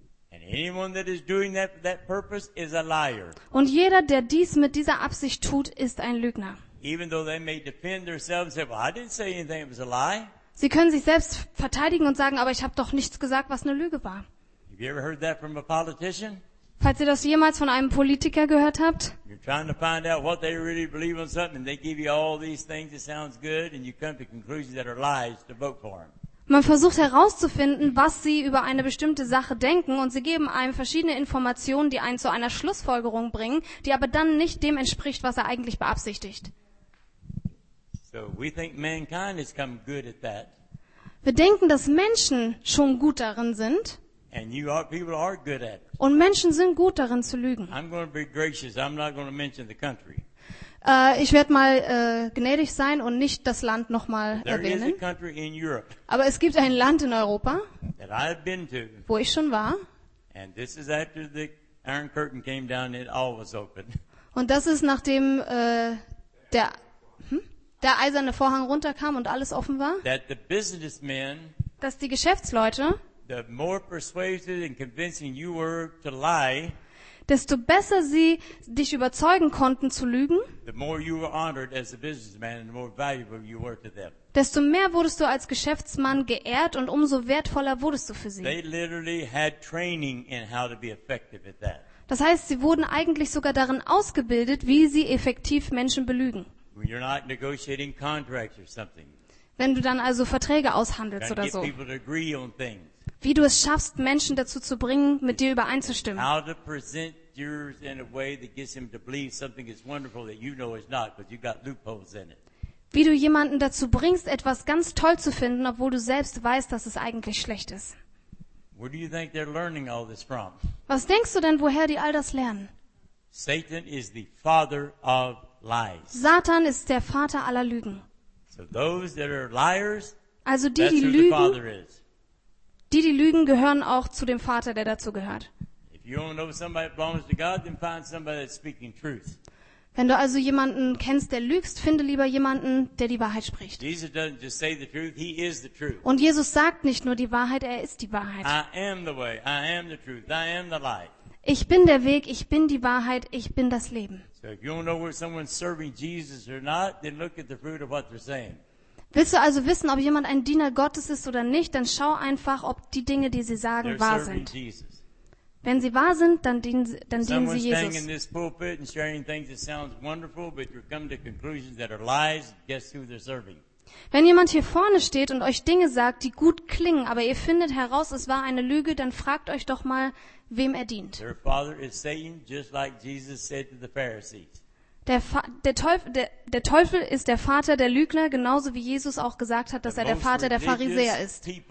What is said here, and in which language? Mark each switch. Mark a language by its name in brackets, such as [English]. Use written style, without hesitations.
[English] And anyone that is doing that for that purpose is a liar. [German] Und jeder, der dies mit dieser Absicht tut, ist ein Lügner. [English] Even though they may defend themselves and say, well, I didn't say anything, it was a lie. [German] Sie können sich selbst verteidigen und sagen, aber ich habe doch nichts gesagt, was eine Lüge war. [English] Have you ever heard that from a politician? [German] Falls ihr das jemals von einem Politiker gehört habt, [English] you're trying to find out what they really believe on something, and they give you all these things that sounds good, and you come to conclusions that are lies to vote for them. [German] Man versucht herauszufinden, was sie über eine bestimmte Sache denken, und sie geben einem verschiedene Informationen, die einen zu einer Schlussfolgerung bringen, die aber dann nicht dem entspricht, was er eigentlich beabsichtigt. [English] So we think mankind has come good at that. [German] Wir denken, dass Menschen schon gut darin sind. [English] And you are, people are good at it. [German] Und Menschen sind gut darin zu lügen. [English] I'm going to be gracious. I'm not going to mention the country. [German] Ich werde mal gnädig sein und nicht das Land nochmal erwähnen. [English] There is a country in Europe. [German] Aber es gibt ein Land in Europa, [English] that I've been to, [German] wo ich schon war. [English] And this is after the Iron Curtain came down, it all was open. [German] Und das ist nachdem der eiserne Vorhang runterkam und alles offen war. [English] That the businessmen, [German] dass die Geschäftsleute, [English] the more persuasive and convincing you were to lie, [German] desto besser sie dich überzeugen konnten zu lügen, [English] the more you were honored as a businessman and the more valuable you were to them. [German] Desto mehr wurdest du als Geschäftsmann geehrt und umso wertvoller wurdest du für sie. [English] They literally had training in how to be effective at that. [German] Das heißt, sie wurden eigentlich sogar darin ausgebildet, wie sie effektiv Menschen belügen. [English] When you're not negotiating contracts or something. [German] Wenn du dann also Verträge aushandelst oder so. [English] People to agree on things. [German] Wie du es schaffst, Menschen dazu zu bringen, mit dir übereinzustimmen. [English] How to present yours in a way that gets him to believe something is wonderful that you know is not, because you've got loopholes in it. [German] Wie du jemanden dazu bringst, etwas ganz toll zu finden, obwohl du selbst weißt, dass es eigentlich schlecht ist. [English] Where do you think they're learning all this from? [German] Was denkst du denn, woher die all das lernen? [English] Satan is the father of lies. [German] Satan ist der Vater aller Lügen. [English] So those that are liars, [German] also die, [English] that's [German] die [English] who [German] lügen, [English] the father is. [German] Die, die lügen, gehören auch zu dem Vater, der dazu gehört. Wenn du also jemanden kennst, der lügst, finde lieber jemanden, der die Wahrheit spricht. [English] Jesus doesn't just say the truth, he is the truth. [German] Und Jesus sagt nicht nur die Wahrheit, er ist die Wahrheit. [English] I am the way, I am the truth, I am the light. [German] Ich bin der Weg, ich bin die Wahrheit, ich bin das Leben. [English] So if you don't know where someone's serving Jesus or not, then look at the fruit of what they're saying. [German] Willst du also wissen, ob jemand ein Diener Gottes ist oder nicht, dann schau einfach, ob die Dinge, die sie sagen, [English] they're [German] wahr sind. [English] Jesus. [German] Wenn sie wahr sind, dann dienen sie Jesus. [English] In this pulpit and sharing things that sounds wonderful, but you come to conclusions that are lies, guess who they're serving. [German] Wenn jemand hier vorne steht und euch Dinge sagt, die gut klingen, aber ihr findet heraus, es war eine Lüge, dann fragt euch doch mal, wem er dient. [English] Their father is Satan, just like Jesus said to the Pharisees. [German] Der Teufel ist der Vater der Lügner, genauso wie Jesus auch gesagt hat, dass er der Vater der Pharisäer ist.